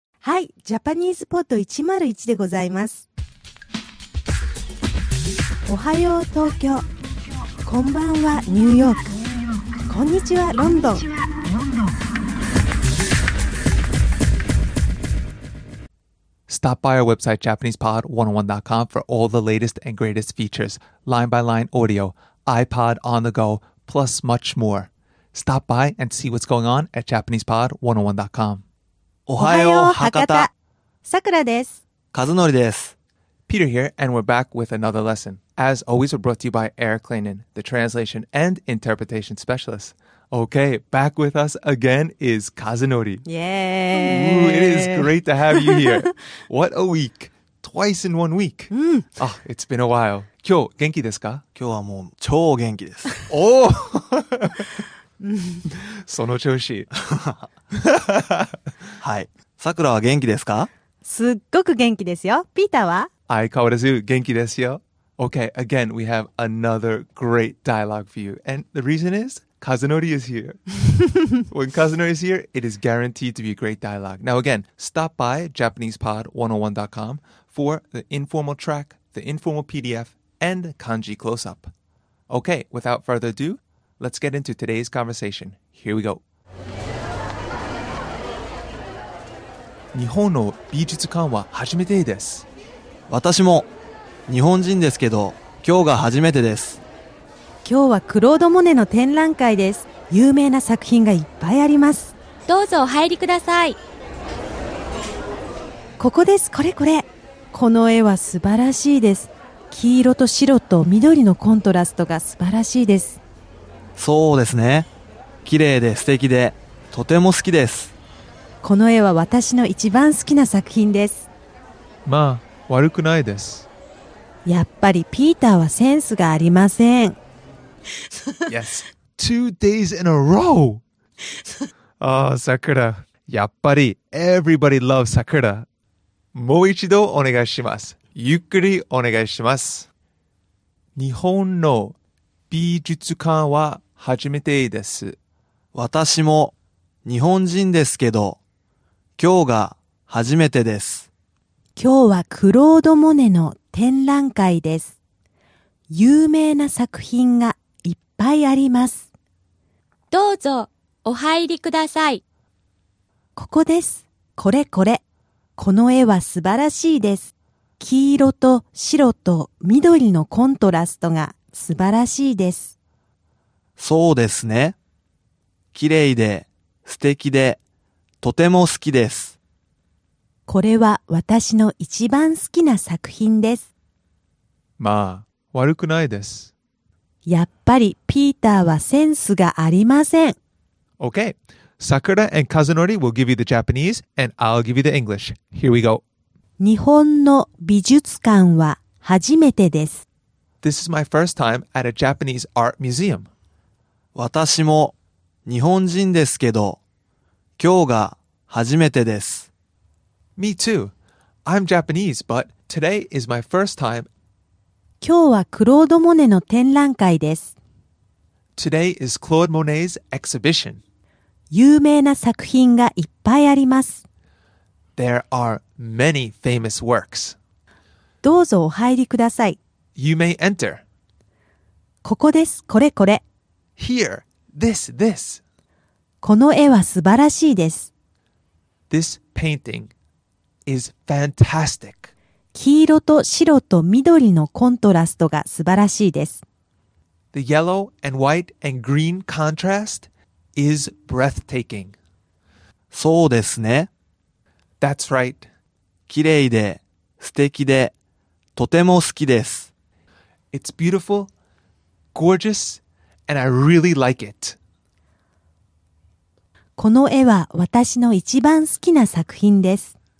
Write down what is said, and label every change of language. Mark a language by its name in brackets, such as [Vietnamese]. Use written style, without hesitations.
[Japanese] はい、ジャパニーズポット101でございます。おはよう東京、こんばんはニューヨーク、こんにちはロンドン。 [English] Stop by our website, JapanesePod101.com, for all the latest and greatest features, line-by-line audio, iPod on the go, plus much more. Stop by and see what's going on at JapanesePod101.com. [Japanese] おはよう、博多。さくらです。かずのりです。 [English] Peter here, and we're back with another lesson. As always, we're brought to you by Eric Lanin, the translation and interpretation specialist. Okay, back with us again is Kazunori. Yay! Ooh, it is great to have you here. What a week. Twice in 1 week. Ah, it's been a while. [Japanese] 今日元気ですか? 今日はもう超元気です。おお! その調子。はい。さくらは元気ですか? すっごく元気ですよ。ピーターは? 相変わらず元気ですよ。 [English] Okay, again, we have another great dialogue for you. And the reason is... Kazunori is here. When Kazunori is here, it is guaranteed to be a great dialogue. Now again, stop by JapanesePod101.com for the informal track, the informal PDF, and kanji close-up. Okay, without further ado, let's get into today's conversation. Here we go. [Japanese] 日本の美術館は初めてです。私も日本人ですけど、今日が初めてです。今日はクロード・モネの展覧会です。有名な作品がいっぱいあります。どうぞお入りください。ここです。これこれ。この絵は素晴らしいです。黄色と白と緑のコントラストが素晴らしいです。そうですね。綺麗で素敵で、とても好きです。この絵は私の一番好きな作品です。まあ、悪くないです。やっぱりピーターはセンスがありません。 [English] Yes, 2 days in a row. Oh, Sakura. やっぱり everybody loves Sakura. [Japanese] もう一度お願いします。ゆっくりお願いします。日本の美術館は初めてです。私も日本人ですけど、今日が初めてです。今日はクロード・モネの展覧会です。有名な作品がいっぱいあります。どうぞお入りください。ここです。これこれ。この絵は素晴らしいです。黄色と白と緑のコントラストが素晴らしいです。そうですね。綺麗で素敵でとても好きです。これは私の一番好きな作品です。まあ悪くないです。やっぱりピーターはセンスがありません。 [English] Okay, Sakura and Kazunori will give you the Japanese and I'll give you the English. Here we go. [Japanese] 日本の美術館は初めてです。 [English] This is my first time at a Japanese art museum. [Japanese] 私も日本人ですけど、今日が初めてです。 [English] Me too. I'm Japanese, but today is my first time. [Japanese] 今日はクロード・モネの展覧会です。 [English] Today is Claude Monet's exhibition. [Japanese] 有名な作品がいっぱいあります。 [English] There are many famous works. [Japanese] どうぞお入りください。 [English] You may enter. [Japanese] ここです。これこれ。 [English] Here. This, this. [Japanese] この絵は素晴らしいです。 [English] This painting is fantastic. [Japanese] 黄色と白と緑のコントラストが素晴らしいです。 [English] The yellow and white and green contrast is breathtaking. [Japanese] そうですね。 [English] That's right. [Japanese] 綺麗で素敵でとても好きです。 [English] It's beautiful, gorgeous, and I really like it. [Japanese] この絵は私の一番好きな作品です。